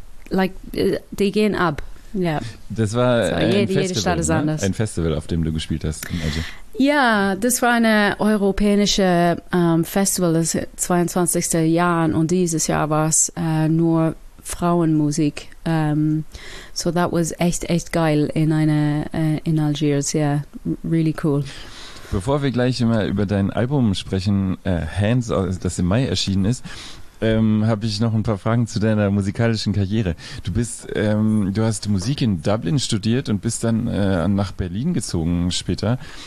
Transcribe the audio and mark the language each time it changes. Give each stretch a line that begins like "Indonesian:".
German: Like, die gehen ab. Yeah. Das war jede Stadt ist anders. Ein Festival, auf dem du gespielt hast. Ja, das war eine europäische Festival, das 22. Jahr. Und dieses Jahr war es nur Frauenmusik.
English: So that was
German: echt geil
English: in Algiers. Yeah, really cool.
German: Bevor wir gleich mal über dein Album sprechen, Hands, das im Mai erschienen ist, habe ich noch ein paar Fragen zu deiner musikalischen Karriere. Du hast Musik in Dublin studiert und bist dann nach Berlin gezogen später.